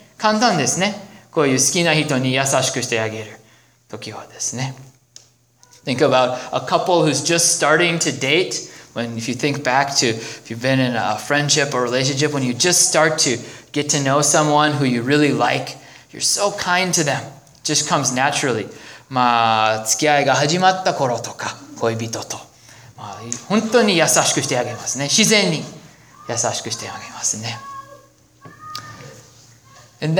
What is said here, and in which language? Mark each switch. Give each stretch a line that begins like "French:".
Japanese: 簡単ですね。こういう好きな人に優しくしてあげる時はですね。
English: Think about a couple who's just starting to date. When if you think back to if you've been in a friendship or relationship, when you just start to get to know someone who you really like, you're so kind to them. It just comes naturally.
Japanese: まあ付き合いが始まった頃とか。恋人と、まあ本当に優しくしてあげますね。自然に優しくしてあげますね。
English: And